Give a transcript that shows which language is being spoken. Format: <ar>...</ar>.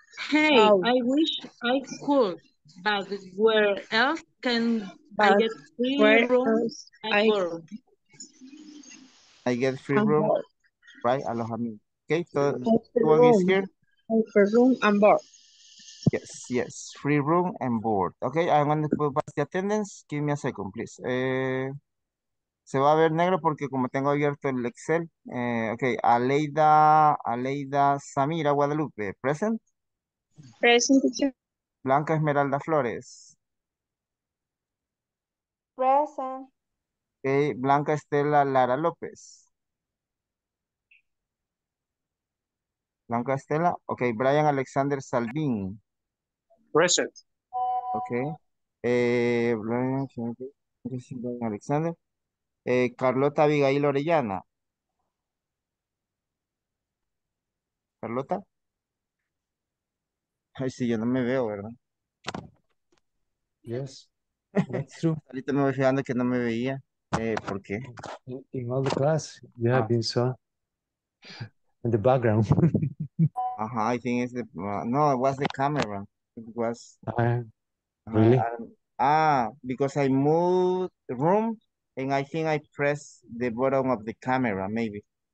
<en>Hey, I wish I could, but where else can I get free rooms at work? I get free room, right? Alojamiento. Okay, so what is here? Free room and board. Yes, yes, free room and board. Okay, I'm going to put back the attendance. Give me a second, please.</en> <es>Se va a ver negro porque como tengo abierto el Excel.</es> <en>Okay, Aleida Samira Guadalupe, present. Present. Blanca Esmeralda Flores. Present. Okay, Blanca Estela Lara López. Blanca Estela. Okay, Brian Alexander Salvin. Present. Okay. Brian Alexander. Carlota Abigail Orellana. Carlota.</en> <es>Ay, sí, yo no me veo, ¿verdad?</es> <en>Yes. That's true.</en> <es>Ahorita me voy fijando que no me veía. ¿Por qué?</es> <en>In all the class, you have been so. In the background. I think it's the. No, it was the camera. It was. Really? Because I moved the room. And I think I press the bottom of the camera, maybe.</en>